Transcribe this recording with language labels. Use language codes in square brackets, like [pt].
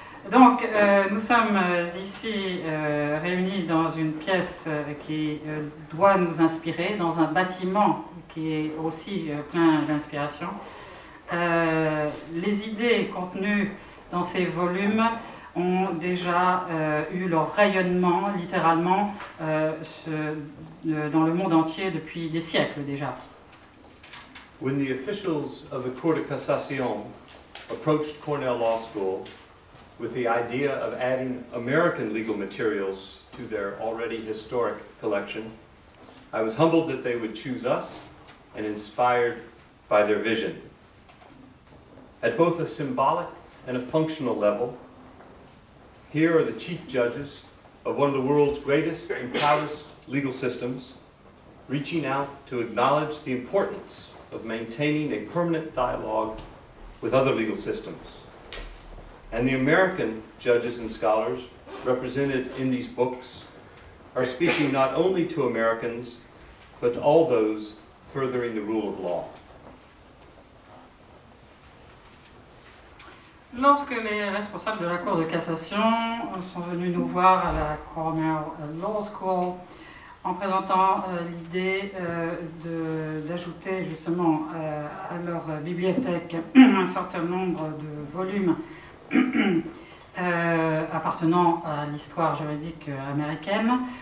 [fr] Donc, nous sommes ici réunis dans une pièce qui doit nous inspirer, dans un bâtiment qui est aussi plein d'inspiration. Les idées contenues dans ces volumes ont déjà eu leur rayonnement, littéralement, dans le monde entier depuis des siècles déjà. [en] When the officials of the Court of Cassation approached Cornell Law School with the idea of adding American legal materials to their already historic collection, I was humbled that they would choose us and inspired by their vision. At both a symbolic and a functional level, here are the chief judges of one of the world's greatest and proudest legal systems, reaching out to acknowledge the importance of maintaining a permanent dialogue with other legal systems. And the American judges and scholars represented in these books are speaking not only to Americans, but to all those furthering the rule of law. [fr] Lorsque les responsables de la Cour de cassation sont venus nous voir à la Cornell Law School en présentant l'idée d'ajouter justement à leur bibliothèque un certain nombre de volumes appartenant à l'histoire juridique américaine,